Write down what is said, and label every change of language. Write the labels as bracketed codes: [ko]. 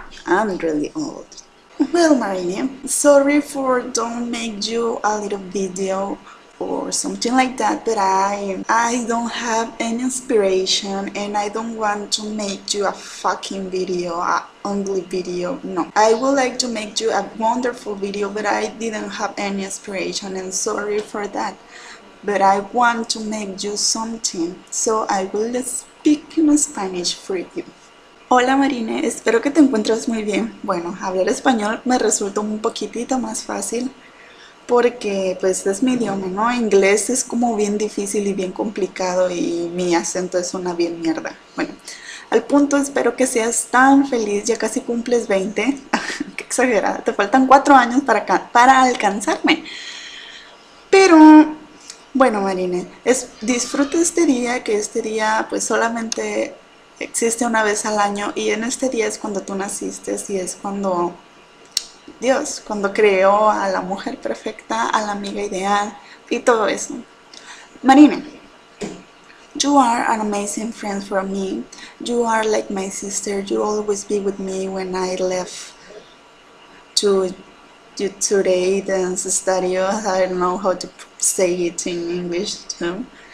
[es] I'm really old. Well, Marina, sorry for don't make you a little video or something like that, but I don't have any inspiration, and I don't want to make you a fucking video, an ugly video. No, I would like to make you a wonderful video, but I didn't have any inspiration, and sorry for that. But I want to make you something, so I will speak in Spanish for you. Hola Marina, espero que te encuentres muy bien. Bueno, hablar español me resulta un poquitito más fácil porque pues es mi idioma, ¿no? Inglés es como bien difícil y bien complicado y mi acento es una bien mierda. Bueno, al punto, espero que seas tan feliz, ya casi cumples 20. Qué exagerada, te faltan 4 años para alcanzarme. Pero bueno, Marina, disfruta este día, que este día pues solamente existe una vez al año, y en este día es cuando tú naciste y es cuando Dios, cuando creó a la mujer perfecta, a la amiga ideal y todo eso. [en] Marina, you are an amazing friend for me. You are like my sister. You always be with me when I left to do today dance studio. I don't know how to say it in English too.